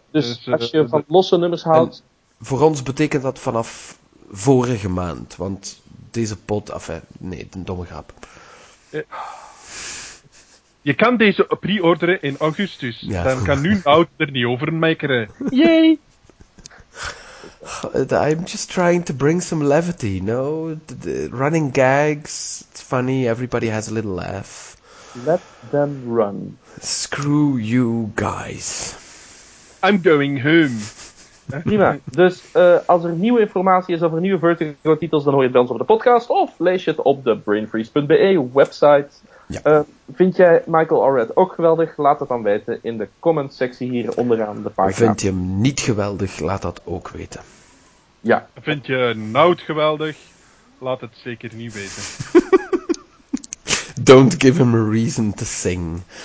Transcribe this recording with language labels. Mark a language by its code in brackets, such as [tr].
[nl] Dus als je van losse nummers houdt... Voor ons betekent dat vanaf vorige maand, want deze pot... Enfin, nee, een domme grap. Je kan deze pre-orderen in augustus. Ja. Dan kan nu Nout er niet over mekkeren. Yay! [en] I'm just trying to bring some levity, you know? The running gags, it's funny, everybody has a little laugh. Let them run. Screw you guys. I'm going home. [nl] Prima. Dus als er nieuwe informatie is over nieuwe Vertigo titels, dan hoor je het bij ons op de podcast of lees je het op de brainfreeze.be website. Ja. Vind jij Michael Allred ook geweldig? Laat dat dan weten in de comment sectie hier onderaan de pagina. Vind je hem niet geweldig? Laat dat ook weten. Ja. Vind je Nout geweldig? Laat het zeker niet weten. [en] Don't give him a reason to sing.